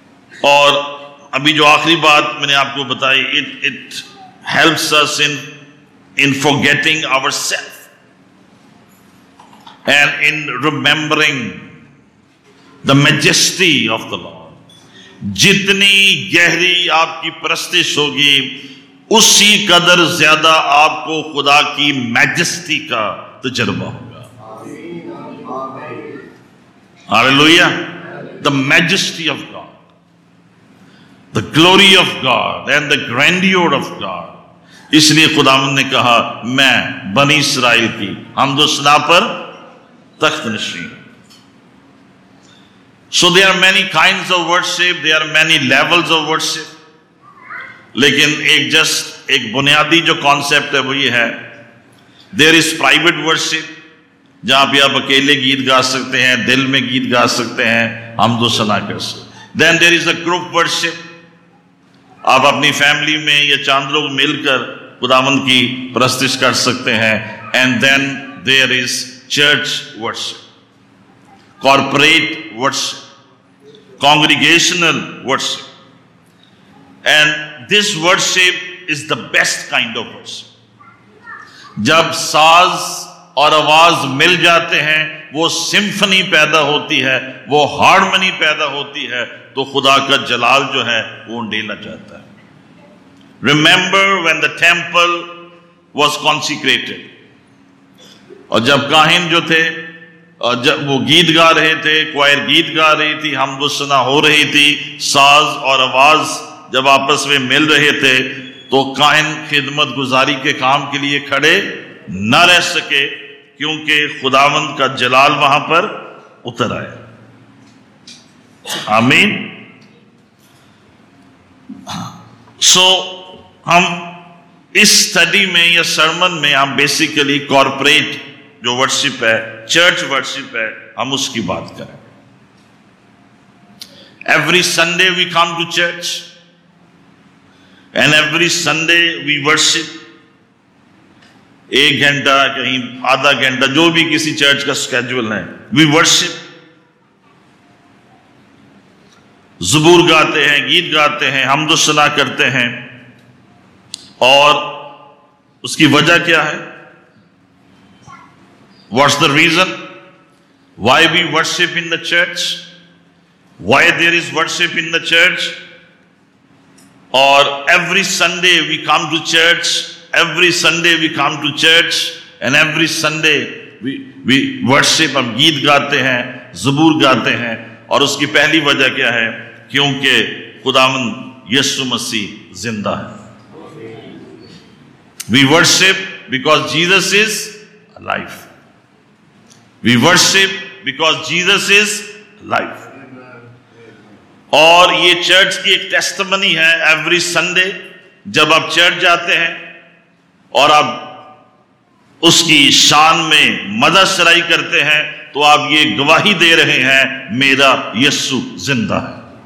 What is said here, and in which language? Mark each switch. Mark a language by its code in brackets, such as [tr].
[ur] اور ابھی جو آخری بات میں نے آپ کو بتائی, [en] It helps us in forgetting our self and in remembering the majesty of the Lord. [ur] جتنی گہری آپ کی پرستش ہوگی اسی قدر زیادہ آپ کو خدا کی میجیسٹی کا تجربہ ہوگا. ہللویہ. [en] The majesty of The glory of God and the grandeur of God. [ur] اس لیے خداوند نے کہا میں بنی اسرائیل کی حمد و ثنا پر تخت نشین. [en] So there are many kinds of worship, there are many levels of worship. [ur] لیکن ایک جسٹ ایک بنیادی جو کانسیپٹ ہے وہ یہ ہے, [en] there is private worship, [ur] جہاں پہ آپ اکیلے گیت گا سکتے ہیں, دل میں گیت گا سکتے ہیں, حمد و ثنا کر سکتے. [en] Then there is a group worship, [ur] آپ اپنی فیملی میں یا چاند لوگ مل کر خداوند کی پرستش کر سکتے ہیں. [en] And then there is church worship, corporate worship, congregational worship. And this worship is the best kind of worship. [ur] جب ساز اور آواز مل جاتے ہیں وہ سمفنی پیدا ہوتی ہے, وہ ہارمنی پیدا ہوتی ہے, تو خدا کا جلال جو ہے وہ ڈھیلا جاتا ہے. [en] remember when the temple was consecrated, [ur] اور جب کاہن جو تھے جب وہ گیت گا رہے تھے, کوائر گیت گا رہی تھی, حمد و ثنا ہو رہی تھی, ساز اور آواز جب آپس میں مل رہے تھے, تو کاہن خدمت گزاری کے کام کے لیے کھڑے نہ رہ سکے کیونکہ خداوند کا جلال وہاں پر اتر آئے. آمین. سو ہم اس سٹڈی میں یا سرمن میں ہم بیسیکلی کارپوریٹ جو ورشپ ہے, چرچ ورشپ ہے, ہم اس کی بات کریں. [en] Every Sunday we come to church and every Sunday we worship. [ur] ایک گھنٹہ کہیں آدھا گھنٹہ جو بھی کسی چرچ کا سکیجول ہے, [en] We worship. [ur] زبور گاتے ہیں, گیت گاتے ہیں, حمد و ثنا کرتے ہیں. اور اس کی وجہ کیا ہے, [en] What's the reason why we worship in the church, why there is worship in the church. اور every Sunday we come to church, every Sunday we come to church and every Sunday we worship. [ur] ہم گیت گاتے ہیں, زبور گاتے ہیں, اور اس کی پہلی وجہ کیا ہے, کیونکہ خداوند یسوع مسیح زندہ ہے. [en] We worship because Jesus is alive. We worship because Jesus is alive. [ur] اور یہ چرچ کی ایک ٹیسٹمنی ہے, ایوری سنڈے جب آپ چرچ جاتے ہیں اور آپ اس کی شان میں مدح سرائی کرتے ہیں, تو آپ یہ گواہی دے رہے ہیں میرا یسوع زندہ ہے.